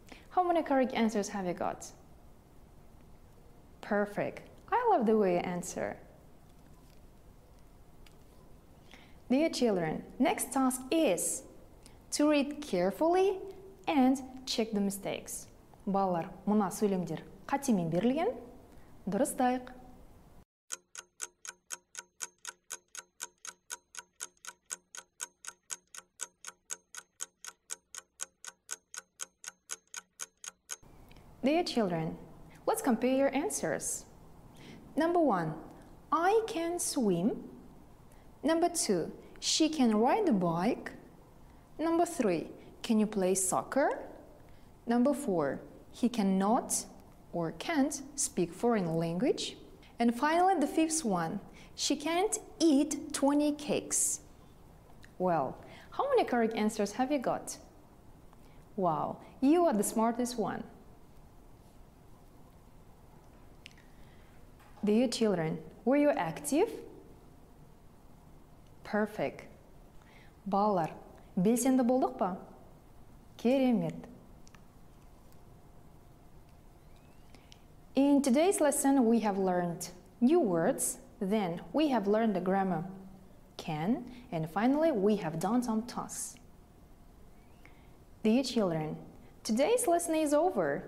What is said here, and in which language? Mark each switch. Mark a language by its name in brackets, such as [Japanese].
[English] How many correct answers have you got? Perfect. I love the way you answer. Dear children, next task is to read carefully and check the mistakes. [Kazakh] Балалар, мына сөйлемдер қатемен берілген. Дұрыстайық. [English] Dear children, let's compare your answers. Number one, I can swim. Number two, she can ride a bike. Number three, can you play soccer? Number four, he cannot or can't speak foreign language. And finally, the fifth one, she can't eat 20 cakes. Well, how many correct answers have you got? Wow, you are the smartest one. Dear children, were you active? Perfect. [Kazakh] Балалар, белсенді болдық па? Керемет. [English] In today's lesson, we have learned new words. Then, we have learned the grammar. K, can, and finally we have done some tasks. Dear children, today's lesson is over.